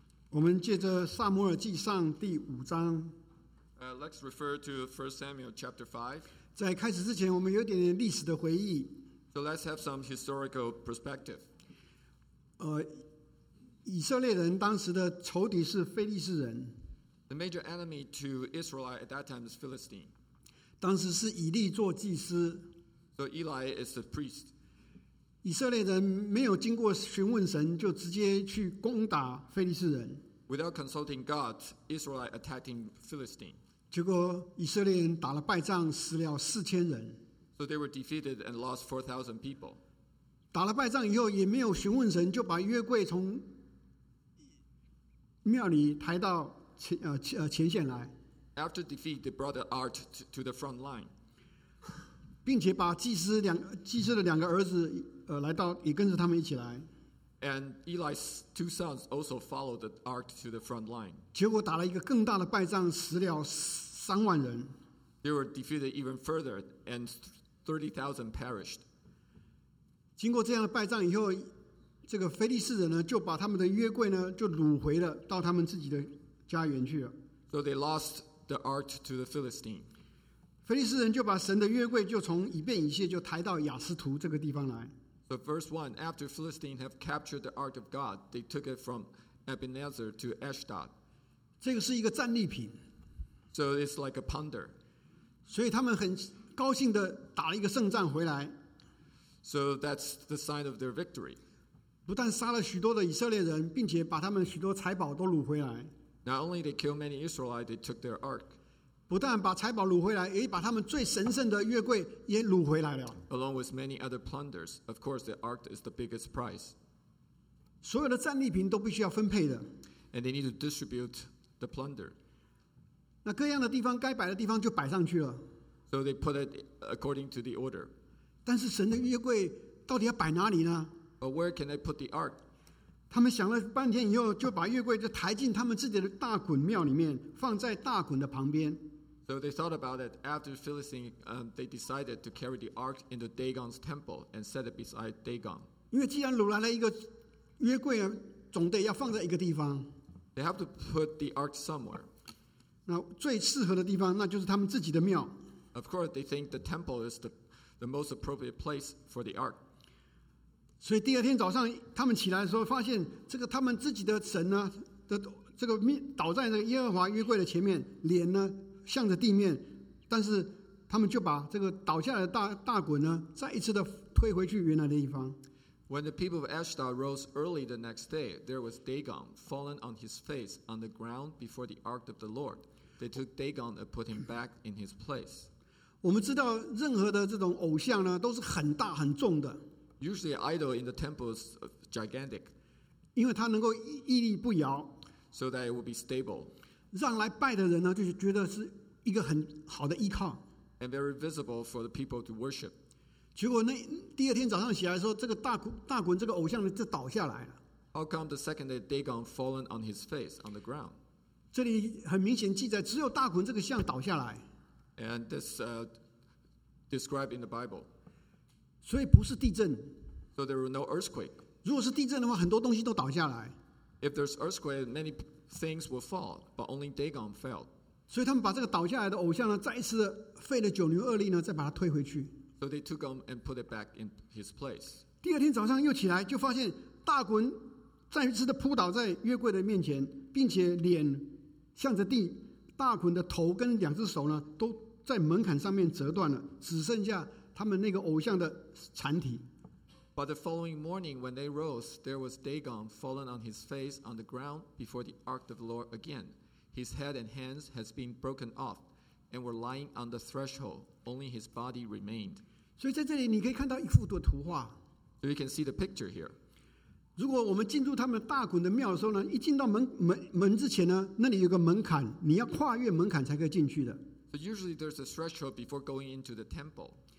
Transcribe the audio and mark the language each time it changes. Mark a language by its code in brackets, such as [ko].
[zh] 我们借着撒母耳记上第五章。 [en] Let's refer to 1 Samuel chapter 5. [zh] 在开始之前，我们有点点历史的回忆。 [en] So let's have some historical perspective. [zh] 以色列人当时的仇敌是腓力士人。 [en] The major enemy to Israelite at that time is Philistine. [zh] 当时是以利做祭司。 [en] So Eli is the priest. [zh] 以色列人没有经过询问神，就直接去攻打腓力士人。 [en] Without consulting God, Israelite attacking Philistine. [zh] 结果以色列人打了败仗，死了4000人。 [en] So they were defeated and lost 4,000 people. [zh] 打了败仗以后也没有询问神，就把约柜从庙里抬到 前线来。 [en] After defeat, they brought the ark to the front line. [zh] 并且把祭司的两个儿子来到，也跟着他们一起来。 [en] And Eli's two sons also followed the ark to the front line. [zh] 结果打了一个更大的败仗，死了30,000人。 [en] They were defeated even further, and 30,000 perished. [zh] 经过这样的败仗以后，这个腓力士人呢，就把他们的约柜呢，就掳回了，到他们自己的家园去了。 [en] So they lost the ark to the Philistine. [zh] 腓力士人就把神的约柜就从以便以谢就抬到亚斯图这个地方来。 [en] So verse 1, after Philistine have captured the Ark of God, they took it from Ebenezer to Ashdod. [zh] 这个是一个战利品。 [en] So it's like a plunder. [zh] 所以他们很高兴地打了一个胜仗回来。 [en] So that's the sign of their victory. [zh] 不但杀了许多的以色列人，并且把他们许多财宝都掳回来。 [en] Not only they killed many Israelites, they took their Ark. [zh] 不但把财宝掳回来，也把他们最神圣的约柜也掳回来了。 [en] Along with many other plunders, of course, the ark is the biggest prize. [zh] 所有的战利品都必须要分配的。 [en] And they need to distribute the plunder. [zh] 那各样的地方该摆的地方就摆上去了。 [en] So they put it according to the order. [zh] 但是神的约柜到底要摆哪里呢？ [en] But where can they put the ark? [zh] 他们想了半天以后，就把约柜就抬进他们自己的大衮庙里面，放在大衮的旁边。 [en] So they thought about it. After Philistine, they decided to carry the ark into Dagon's temple and set it beside Dagon. [zh] 因为既然掳来了一个约柜，总得要放在一个地方。 [en] They have to put the ark somewhere. [zh] 那最适合的地方，那就是他们自己的庙。 [en] Of course, they think the temple is the most appropriate place for the ark. [zh] 所以第二天早上，他们起来的时候，发现这个他们自己的神呢的这个倒在这个耶和华约柜的前面，脸呢。向着地面，但是他们就把这个倒下来的大衮呢，再一次的推回去原来的地方。 [en] When the people of Ashdod rose early the next day, there was Dagon fallen on his face on the ground before the ark of the Lord. They took Dagon and put him back in his place. [zh] 我们知道，任何的这种偶像呢，都是很大很重的。 [en] Usually, idol in the temple is gigantic. [zh] 因为它能够屹立不摇 [en] ，so that it will be stable. [zh] 让来拜的人呢，就是觉得是一个很好的依靠。 [en] And very visible for the people to worship. [zh] 结果那第二天早上起来的时候，这个大衮这个偶像就倒下来了。 [en] How come the second day Dagon fallen on his face on the ground? [zh] 这里很明显记载，只有大衮这个像倒下来。 [en] And this described in the Bible. [zh] 所以不是地震。 [en] So there were no earthquake. [zh] 如果是地震的话，很多东西都倒下来。 [en] If there's earthquake, many things will fall, but only Dagon fell. [zh] 所以他们把这个倒下来的偶像呢，再一次费了九牛二力呢，再把它推回去。 [en] So they took him and put it back in his place. [zh] 第二天早上又起来，就发现大衮再一次的扑倒在约柜的面前，并且脸向着地，大衮的头跟两只手呢，都在门槛上面折断了，只剩下他们那个偶像的残体。 [en] But the following morning, when they rose, there was Dagon fallen on his face on the ground before the ark of the Lord again. His head and hands had been broken off and were lying on the threshold. Only his body remained. [zh] So, 在这里你可以看到一幅的图画。 [en] So, you can see the picture here. [zh] 如果我们进入他们大衮的庙的时候呢，一进到门之前呢，那里有个门槛，你要跨越门槛才可以进去的。 [en] So, usually there's a threshold before going into the temple.